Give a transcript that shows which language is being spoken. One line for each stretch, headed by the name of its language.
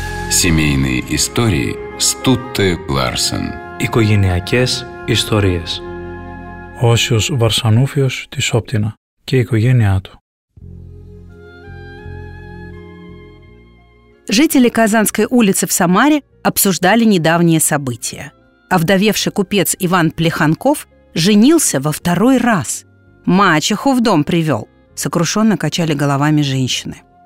Russian: Семейные истории Стутте Ларсен.
Greek: Οικογενειακές ιστορίες. Όσιος Βαρσανούφιος της Όπτινα και η οικογένειά του.
Russian: Жители Казанской улицы в Самаре обсуждали недавние события. Овдовевший купец Иван Плеханков женился во второй раз. Мачеху в дом привел. Сокрушенно качали головами женщины.